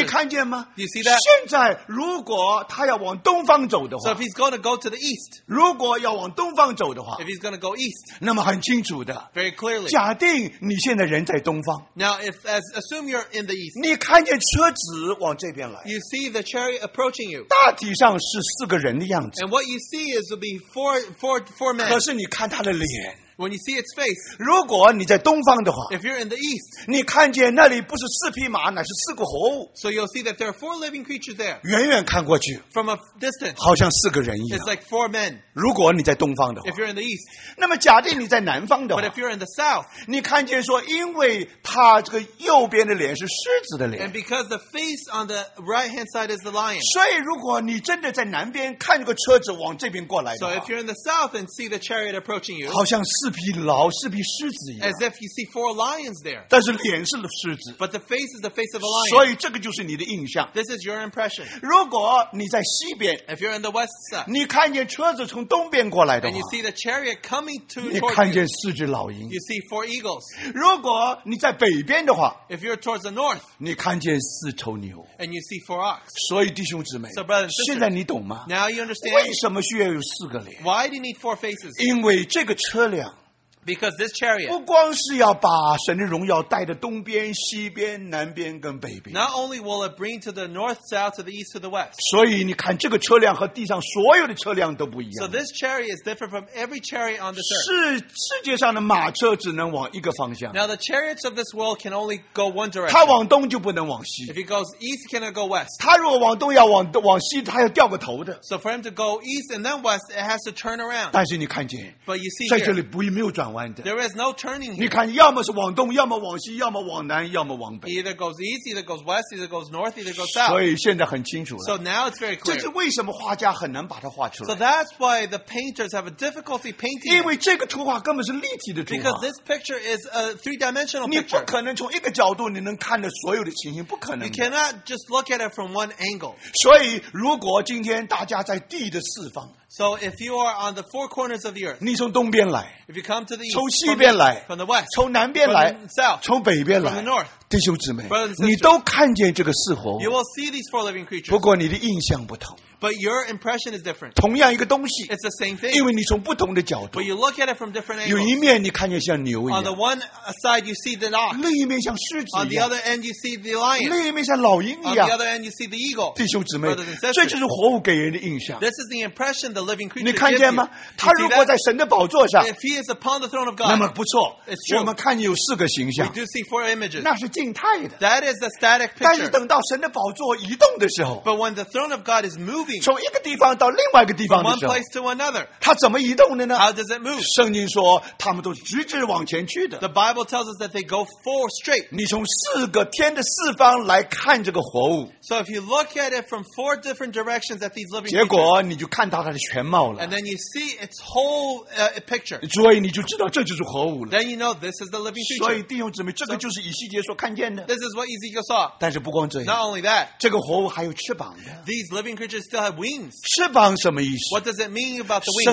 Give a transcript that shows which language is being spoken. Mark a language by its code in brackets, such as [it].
[zh] 你看见吗？ [en] You see that? [zh] 现在如果他要往东方走的话。 [en] So if he's going to go to the east. [zh] 如果要往东方走的话。 [en] If he's going to go east. [zh] 那么很清楚的。 [en] Very clearly. [zh] 假定你现在人在东方。 [en] Now, assume you're in the east. [zh] 你看见车子往这边来。 [en] You see the chariot approaching you. [zh] 大体上是四个人的样子。 [en] And what you see is will be four men. [zh] 可是你看他的脸。 [en] When you see its face, [zh] 如果你在东方的话， [en] if you're in the east, [zh] 你看见那里不是四匹马，乃是四个活物。 [en] So you'll see that there are four living creatures there. [zh] 远远看过去， [en] from a distance, [zh] 好像四个人一样。 [en] It's like four men. [zh] 如果你在东方的话， [en] if you're in the east, [zh] 那么假定你在南方的话， [en] but if you're in the south, [zh] 你看见说，因为他这个右边的脸是狮子的脸， [en] and because the face on的 right hand side is the lion. [zh] 所以如果你真的在南边看这个车子往这边过来的话， [en] so if you're in the south and see the chariot approaching you, [zh] 好像四。比老是比狮子一样 [en] ，as if you see four lions there， [zh] 但是脸是狮子 [en] ，but the face is the face of a lion， [zh] 所以这个就是你的印象 [en] ，this is your impression。 [zh] 如果你在西边 [en] ，if you're in the west side， [zh] 你看见车子从东边过来的话 [en] ，and you see the chariot coming to， [zh] 你看见四只老鹰 [en] ，you see four eagles。 [zh] 如果你在北边的话 [en] ，if you're towards the north， [zh] 你看见四头牛 [en] ，and you see four ox。 [zh] 所以弟兄姊妹 [en] ，so brothers and sisters， [zh] 现在你懂吗 [en] ？now you understand [zh] 为什么需要有四个脸 [en] ？why do you need four faces？ [zh] 因为这个车辆。 [en] Because this chariot, [zh] 不光是要把神的荣耀带到东边、西边、南边跟北边。 [en] Not only will it bring to the north, south, to the east, to the west. [zh] 所以你看，这个车辆和地上所有的车辆都不一样。 [en] So this chariot is different from every chariot on the earth. [zh] 是世界上的马车只能往一个方向。 [en] Now the chariots of this world can only go one direction. [zh] 它往东就不能往西。 [en] If it goes east, cannot go west. [zh] 它如果往东要往西，它要掉个头的。 [en] So for him to go east and then west, it has to turn around. [zh] 但是你看见， [en] but you see [zh] 在这里不一没有转弯。 [en] There is no turning here. [zh] 你看，要么是往东，要么往西，要么往南，要么往北。 [en] Either goes east, either goes west, either goes north, either goes south. [zh] 所以现在很清楚了。 [en] So now it's very clear. [zh] 这是为什么画家很难把它画出来。 [en] So that's why the painters have a difficulty painting. [zh] 因为这个图画根本是立体的图画。 [en] Because this picture is a three-dimensional picture. [zh] 你不可能从一个角度你能看到所有的情形，不可能。 [en] You cannot just look at it from one angle. [zh] 所以，如果今天大家在地的四方。 [en] So if you are on the four corners of the earth, [zh] 你从东边来 [en] if you come to the east, [zh] 从西边来 [en] from the west, [zh] 从南边来 [en] from the south, [zh] 从北边来 [en] from the north, [zh] 弟兄姊妹，你都看见这个四活物。 [en] You will see these four living creatures. [zh] 不过你的印象不同。 [en] But your impression is different. [zh] 同样一个东西。 [en] It's the same thing. [zh] 因为你从不同的角度。 [en] But you look at it from different angles. [zh] 有一面你看见像牛一样。 [en] On the one side you see the ox. [zh] 另一面像狮子一样。 [en] On the other end you see the lion. [zh] 另一面像老鹰一样。 [en] On the other end you see the eagle. [zh] 弟兄姊妹，这就是活物给人的印象。 [en] This is the impression the living creature gives you. [zh] 你看见吗？他如果在神的宝座上。 [en] If he is upon the throne of God. [zh] 那么不错。 [en] It's true. [zh] 我们看见有四个形象。 [en] We do see four images. [zh] 那是静态的。 [en] That is the static picture. [zh] 但是等到神的宝座移动的时候。 [en] But when the throne of God is moving. [zh] 从一个地方到另外一个地方的时候 [en] From one place to another, [zh] 它怎么移动的呢 [en] How does it move? [zh] 圣经说他们都直直往前去的 [en] The Bible tells us that they go four straight [zh] 你从四个天的四方来看这个活物 [en] So if you look at it from four different directions at these living creatures [zh] 结果你就看到它的全貌了 [en] And then you see its whole picture [zh] 所以你就知道这就是活物了 [en] Then you know this is the living creature [zh] 所以弟兄姊妹这个就是以西结所看见的 [en] This is what Ezekiel saw [zh] 但是不光这样 [en] Not only that [zh] 这个活物还有翅膀的 [en] These living creatures still have wings. [zh] 翅膀什么意思? [en] What does it mean about the wings?